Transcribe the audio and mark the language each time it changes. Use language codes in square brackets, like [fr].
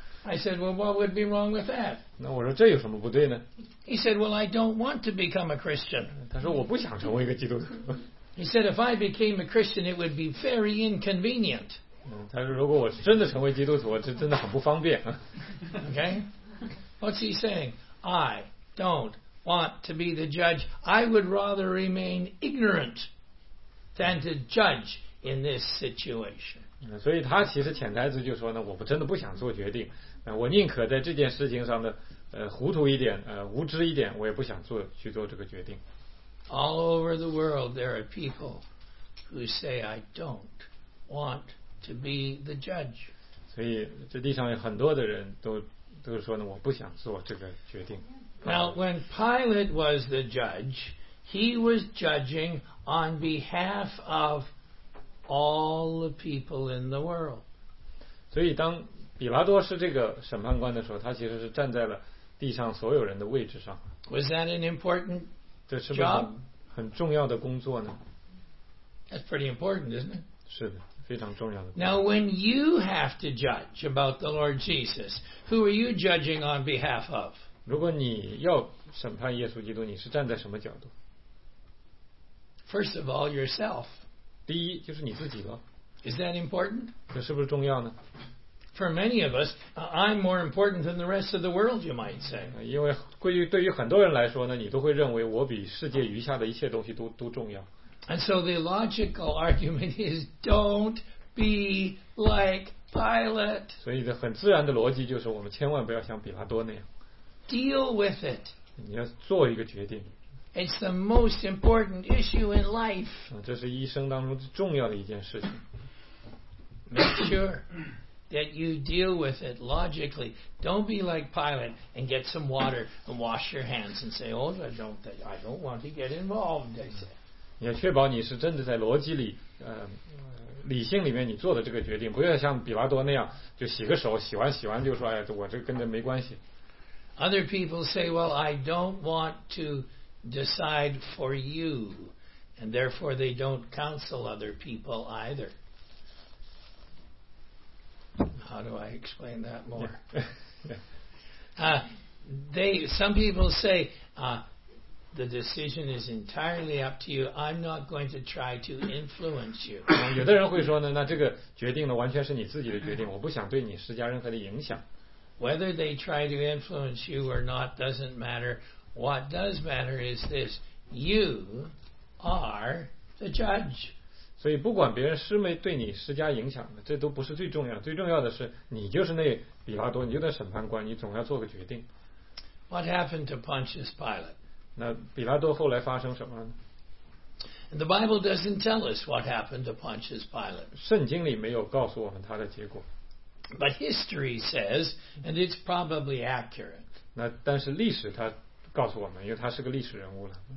[en] I said, well, what would be wrong with that? [zh] 那我说这有什么不对呢？ [en] He said, well, I don't want to become a Christian. [zh] 他说我不想成为一个基督徒。 [en] He said, if I became a Christian, it would be very inconvenient. [zh] 他说如果我真的成为基督徒，这真的很不方便。 [en] Okay? What's he saying? I don't want to be the judge. I would rather remain ignorant than to judge in this situation. [zh] 所以他其实潜台词就说呢，我真的不想做决定，我宁可在这件事情上的糊涂一点，无知一点，我也不想去做这个决定。 [en] All over the world, there are people who say, I don't want to be the judge. [zh] 所以这地上有很多的人都说呢，我不想做这个决定。 [en] Now, when Pilate was the judge, he was judging on behalf of all the people in the world. [zh] 所以当比拉多是这个审判官的时候，他其实是站在了地上所有人的位置上。 [en] Was that an important job? [zh] 这是不是很重要的工作呢？ [en] That's pretty important, isn't it? [zh] 是的，非常重要的工作。 [en] Now, when you have to judge about the Lord Jesus, who are you judging on behalf of? [zh] 如果你要审判耶稣基督，你是站在什么角度？ [en] First of all, yourself. [zh] 第一，就是你自己了。 [en] Is that important? [zh] 这是不是重要呢？ [en] For many of us, I'm more important than the rest of the world, you might say. [zh] 因为对于很多人来说呢，你都会认为我比世界余下的一切东西都重要。 [en] And so the logical argument is, don't be like Pilate. [zh] 所以很自然的逻辑就是，我们千万不要像比拉多那样。 [en] Deal with it. [zh] 你要做一个决定。 [en] It's the most important issue in life. [zh] 这是一生当中重要的一件事情。 [en] Make sure that you deal with it logically. Don't be like Pilate and get some water and wash your hands and say, oh, I don't want to get involved, I said. [zh] 你要确保你是真的在逻辑里理性里面你做的这个决定，不要像比拉多那样就洗个手，洗完就说，哎，我这跟这没关系。 [en] Other people say, well, I don't want to decide for you, and therefore they don't counsel other people either. How do I explain that more? Some people say, the decision is entirely up to you. I'm not going to try to influence you. [zh] 有的人会说呢，那这个决定呢，完全是你自己的决定，我不想对你施加任何的影响。 [en] Whether they try to influence you or not doesn't matter. What does matter is this: you are the judge. [zh] 所以不管别人施没对你施加影响，这都不是最重要。最重要的是，你就是那比拉多，你就是审判官，你总要做个决定。 [en] What happened to Pontius Pilate? [zh] 那比拉多后来发生什么呢？ [en] And the Bible doesn't tell us what happened to Pontius Pilate. [zh] 圣经里没有告诉我们他的结果。 [en] But history says, and it's probably accurate. [zh] 那但是历史它告诉我们，因为他是个历史人物了。